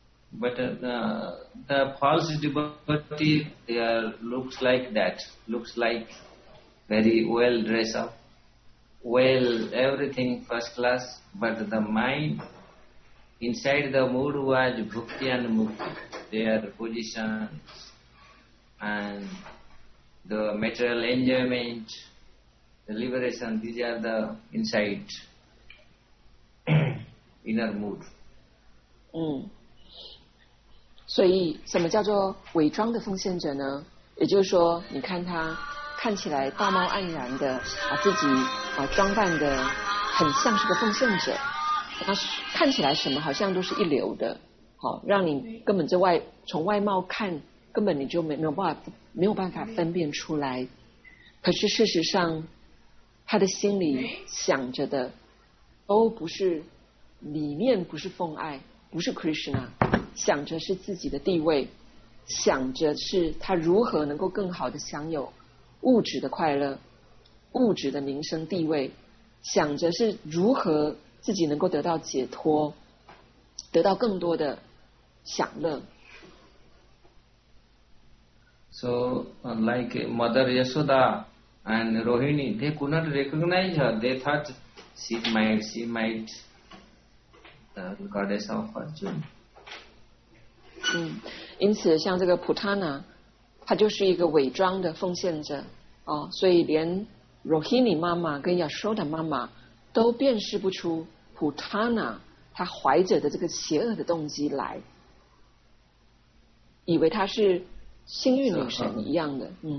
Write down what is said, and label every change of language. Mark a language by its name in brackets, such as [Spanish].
[English] But the false devotee, they are looks like that, looks like very well dressed up, well everything first class, but the mind inside the mood was bhukti and mukti, their positions and the material enjoyment, the liberation, these are the inside inner mood. [Chinese] 所以什么叫做伪装的奉献者呢？也就是说你看他看起来道貌岸然的把自己装扮的很像是个奉献者，他看起来什么好像都是一流的，好让你根本就从外貌看根本你就没有办法分辨出来，可是事实上他的心里想着的都不是，里面不是奉爱，不是 Krishna，想着是自己的地位，想着是他如何能够更好的享有物质的快乐，物质的名声地位，想着是如何自己能够得到解脱，得到更多的享乐。 [English] So like Mother Yasoda and Rohini, they could not recognize her. They thought she might the goddess of fortune. [Chinese] 因此像这个 Putana 他就是一个伪装的奉献者，所以连 Rohini 妈妈跟 Yashoda 妈妈都辨识不出 Putana 他怀着的这个邪恶的动机来，以为他是幸运女神一样的。